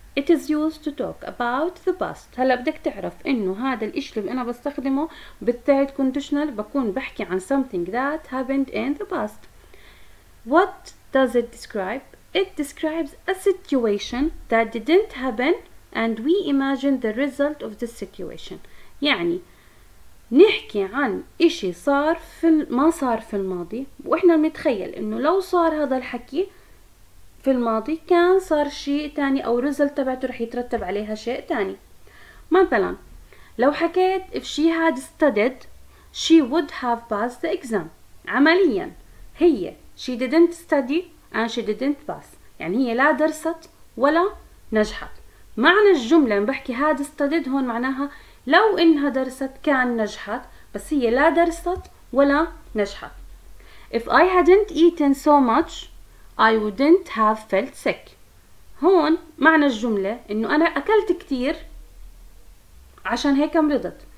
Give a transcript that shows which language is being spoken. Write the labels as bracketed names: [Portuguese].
[English] It is used to talk about the past. [Arabic] هلا بدك تعرف انه هذا الاشي اللي انا بستخدمه بالثيرد كونديشنال بكون بحكي عن [English] something that happened in the past. What does it describe? It describes a situation that didn't happen and we imagine the result of the situation. [Arabic] يعني نحكي عن اشي صار في ما صار في الماضي واحنا نتخيل انه لو صار هذا الحكي في الماضي كان صار شيء تاني او result تبعته رح يترتب عليها شيء تاني. مثلا لو حكيت [English] if she had studied she would have passed the exam. [Arabic] عمليا هي [English] she didn't study and she didn't pass. [Arabic] يعني هي لا درست ولا نجحت. معنى الجملة لما بحكي had studied هون معناها لو انها درست كان نجحت بس هي لا درست ولا نجحت. [English] if I hadn't eaten so much I wouldn't have felt sick. [Arabic] هون معنى الجملة انه انا اكلت كتير عشان هيك مرضت.